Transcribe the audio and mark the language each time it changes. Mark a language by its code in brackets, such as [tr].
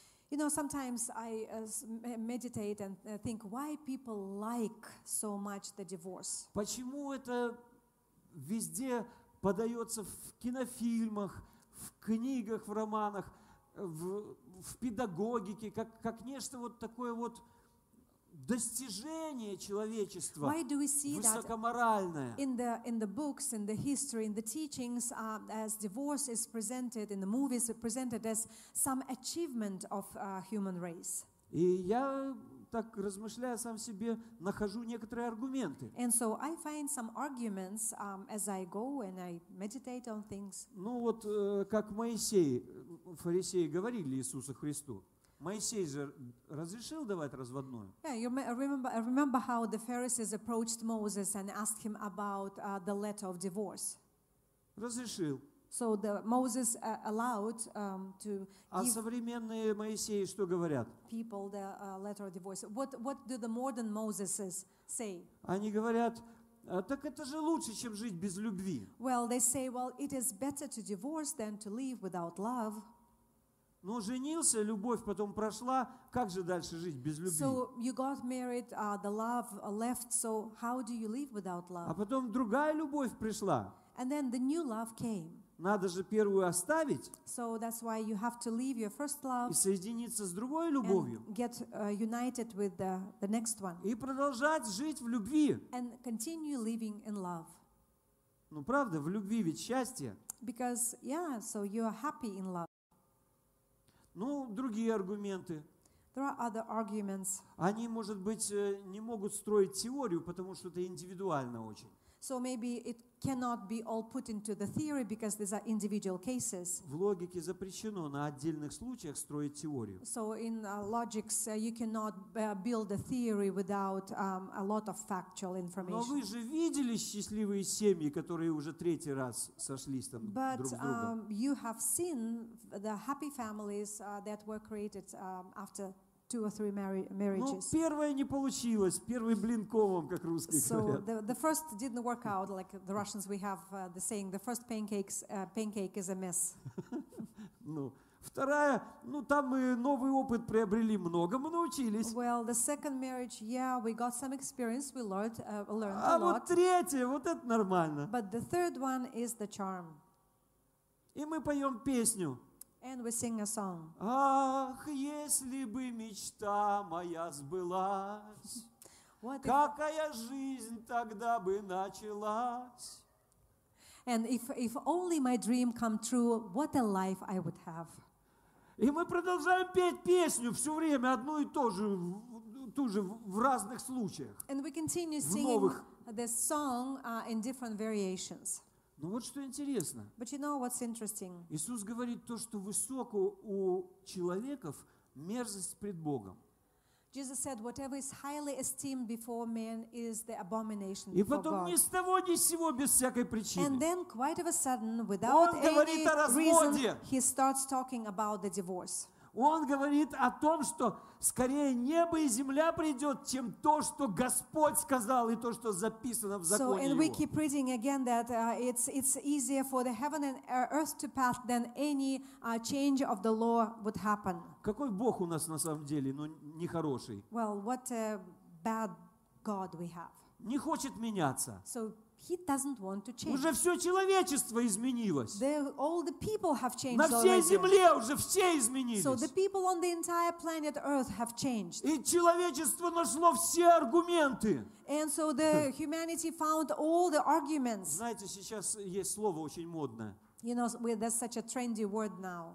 [en] You know, sometimes I meditate and think, why people like so much the divorce? [ru] Почему это везде подается в кинофильмах, в книгах, в романах, в педагогике, как нечто вот такое вот достижение человечества, высокоморальное? [en] In the books, in the history, in the teachings, as divorce is presented, in the movies, it's presented as some achievement of human race. [ru] И я так размышляю сам себе, нахожу некоторые аргументы. [en] And so I find some arguments as I go and I meditate on things. [ru] Ну вот как Моисей, фарисеи говорили Иисусу Христу. Моисей же разрешил давать разводную. [en] Yeah, you remember how the Pharisees approached Moses and asked him about the letter of divorce. [ru] Разрешил. [en] So the Moses allowed to give. [ru] А современные Моисеи что говорят? [en] People the letter of divorce. What do the modern Moseses say? [ru] Они говорят, так это же лучше, чем жить без любви. [en] Well, they say, well, it is better to divorce than to live without love. [ru] Но женился, любовь потом прошла, как же дальше жить без любви? [en] So you got married, the love left, so how do you live without love? [ru] А потом другая любовь пришла. [en] And then the new love came. [ru] Надо же первую оставить. [en] So that's why you have to leave your first love. [ru] И соединиться с другой любовью. [en] And get united with the next one. [ru] И продолжать жить в любви. [en] And continue living in love. [ru] Ну правда, в любви ведь счастье. [en] Because, yeah, so you are happy in love. [ru] Ну, другие аргументы. [en] There are other arguments. [ru] Они, может быть, не могут строить теорию, потому что это индивидуально очень. [en] So maybe it cannot be all put into the theory because these are individual cases. [ru] В логике запрещено на отдельных случаях строить теорию. [en] So in logics you cannot build a theory without a lot of factual information. [ru] Но вы же видели счастливые семьи, которые уже третий раз сошлись там друг с другом. [en] But you have seen the happy families that were created after two or three marriages. [ru] Ну, первое не получилось, первый блин комом, как русские [en] so [ru] говорят. [en] So the first didn't work out, like the Russians, we have the saying, the first pancake is a mess. [ru] Ну, вторая, ну, там мы новый опыт приобрели, многому научились. [en] Well, the second marriage, yeah, we got some experience, we learned a lot. [ru] А вот третье, вот это нормально. [en] But the third one is the charm. [ru] И мы поем песню. [en] And we sing a song. [ru] Ах, если бы мечта моя сбылась, какая жизнь тогда бы началась? [en] And if only my dream come true, what a life I would have. [ru] И мы продолжаем петь песню все время одну и ту же, в разных случаях. [en] And we continue singing this song in different variations. [ru] Но вот что интересно. [en] But you know what's interesting? [ru] Иисус говорит то, что высоко у человеков мерзость пред Богом. [en] Jesus said, whatever is highly esteemed before men is the abomination before God. [ru] И потом ни с того ни с сего, без всякой причины. [en] And then, quite of a sudden, without any reason, he starts talking about the divorce. [ru] Он говорит о том, что скорее небо и земля придет, чем то, что Господь сказал и то, что записано в законе Его. [en] So, and we keep reading again that it's easier for the heaven and earth to pass than any change of the law would happen. [ru] Какой Бог у нас на самом деле, но нехороший? [en] Well, what a bad God we have. [ru] Не хочет меняться. [en] So, He doesn't want to change. [ru] Уже все человечество изменилось. [en] All the people have changed. [ru] На всей земле уже все изменились. [en] So the people on the entire planet Earth have changed. [ru] И человечество нашло все аргументы. [en] And so the humanity found all the arguments. [ru] Знаете, сейчас есть слово очень модное. [en] You know, there's such a trendy word now.